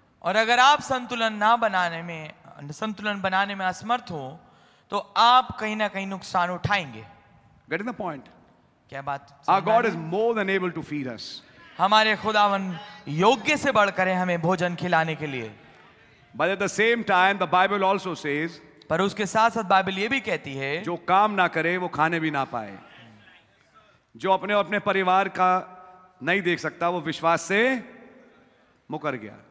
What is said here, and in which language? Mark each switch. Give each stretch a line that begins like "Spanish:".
Hindi: और अगर आप संतुलन ना बनाने में, संतुलन बनाने में असमर्थ हो, तो आप कहीं ना कहीं नुकसान उठाएंगे।
English: Getting the point?
Hindi: क्या बात?
English: Our god is more than able to feed us.
Hindi: हमारे खुदावन योग्य से बढ़कर है हमें भोजन खिलाने के लिए।
English: But at the same time, the Bible also says,
Hindi: पर उसके साथ साथ बाइबल ये भी कहती है, जो काम ना करे वो खाने भी ना पाए, जो अपने अपने परिवार का नहीं देख सकता वो विश्वास से मुकर गया।